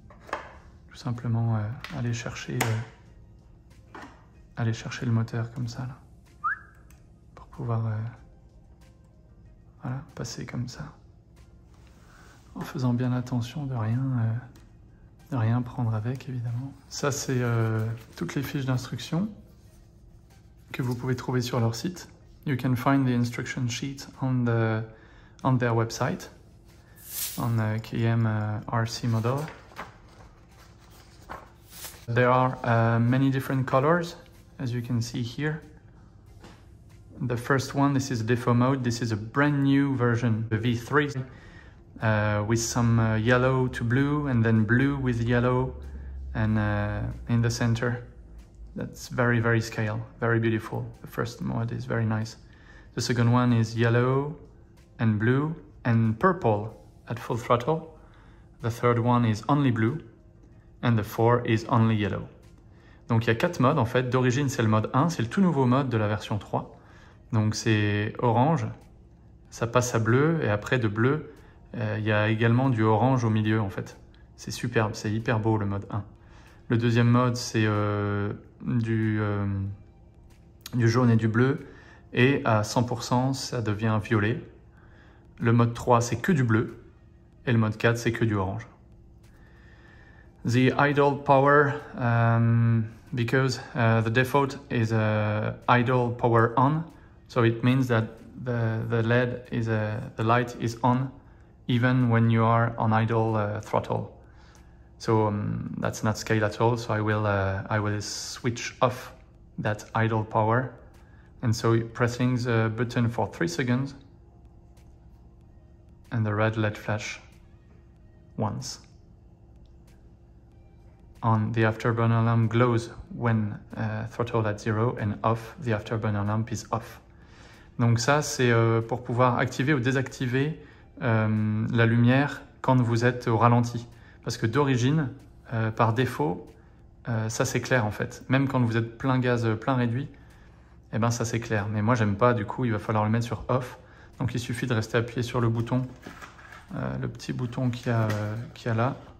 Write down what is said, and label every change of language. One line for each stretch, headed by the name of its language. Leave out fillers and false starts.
French: Tout simplement aller chercher aller chercher le moteur comme ça là, pour pouvoir voilà, passer comme ça en faisant bien attention de rien prendre avec évidemment. Ça c'est toutes les fiches d'instruction que vous pouvez trouver sur leur site.
English: You can find the instruction sheet on their website on KMRC Model. There are many different colors. As you can see here, the first one, this is defo mode. This is a brand new version, the V3, with some yellow to blue, and then blue with yellow, and in the center. That's very, very scale, very beautiful. The first mode is very nice. The second one is yellow and blue and purple at full throttle. The third one is only blue, and the four is only yellow.
French: Donc il y a 4 modes en fait. D'origine, c'est le mode 1, c'est le tout nouveau mode de la version 3. Donc c'est orange, ça passe à bleu, et après de bleu, il y a également du orange au milieu en fait. C'est superbe, c'est hyper beau le mode 1. Le deuxième mode, c'est du jaune et du bleu, et à 100%, ça devient violet. Le mode 3, c'est que du bleu, et le mode 4, c'est que du orange.
English: The idle power, because the default is idle power on, so it means that the light is on, even when you are on idle throttle. So that's not scale at all. So I will switch off that idle power, and so pressing the button for 3 seconds, and the red LED flash once. On, the afterburner lamp glows when throttle at zero, and off, the afterburner lamp is off.
French: Donc ça, c'est pour pouvoir activer ou désactiver la lumière quand vous êtes au ralenti. Parce que d'origine, par défaut, ça s'éclaire en fait. Même quand vous êtes plein gaz, plein réduit, eh ben ça s'éclaire. Mais moi, j'aime pas, du coup, il va falloir le mettre sur off. Donc il suffit de rester appuyé sur le bouton, le petit bouton qu'il y a là.